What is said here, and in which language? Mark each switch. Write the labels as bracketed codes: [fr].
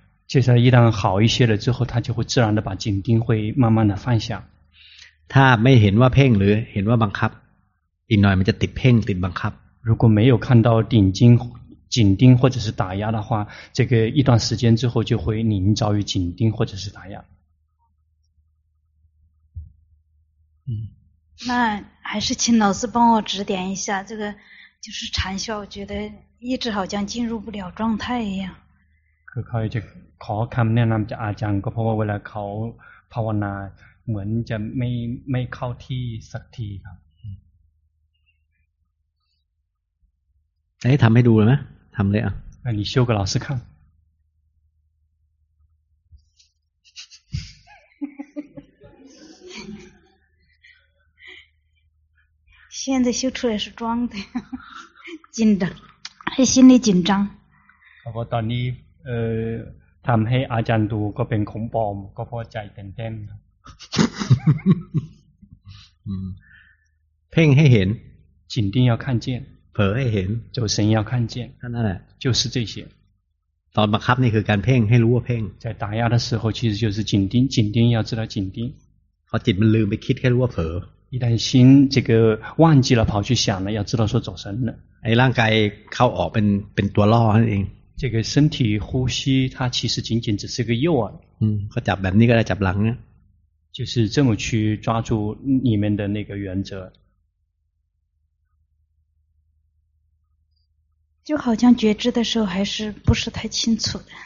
[zh] 接下来一旦好一些了之后他就会自然的把紧盯会慢慢的放下 [th] ถ้าไม่เห็นว่าเพ่งหรือเห็นว่าบังคับอีกหน่อยมันจะติดเพ่งติดบังคับ [zh] 如果没有看到紧盯或者是打压的话这个一段时间之后就会临遭于紧盯或者是打压那还是请老师帮我指点一下这个就是禅修我觉得一直好像进入不了状态一样 [th] ก็ขอจะขอคำแนะนำจากอาจารย์ก็เพราะว่าเวลาเขาภาวนาเหมือนจะไม่เข้าที่สักทีครับ ไอ้ทำให้ดูเลยไหมทำเลยอ่ะ อันนี้โชว์กับเราสักครั้ง ตอนนี้ [zh] 修出来是装的紧张 [th] ให้ [zh] 心里紧张 [th] เพราะตอนนี้ทำให้อาจารย์ดูก็เป็นของปลอมก็พอใจเต้น เพ่งให้เห็น [zh] 紧盯要看见 [th] เผลอให้เห็น [zh] 走神要看见 [th] นั่นแหละ [zh] 就是这些 [th] ตอนบังคับนี่คือการเพ่งให้รู้ว่าเพ่ง [zh] 在打压的时候其实就是紧盯紧盯要知道紧盯 [th] พอจิตมันลืมไปคิดแค่รู้ว่าเผลอ [zh] 一旦心这个忘记了跑去想了要知道说走神了 [th] ไอ้ร่างกายเข้าออกเป็นตัวล่อนั่นเอง [zh] 这个身体呼吸它其实仅仅只是个诱饵 [th] ก็จับแบบนี้ก็ได้จับหลังเนี่ย [zh] 就是这么去抓住里面的那个原则就好像觉知的时候还是不是太清楚的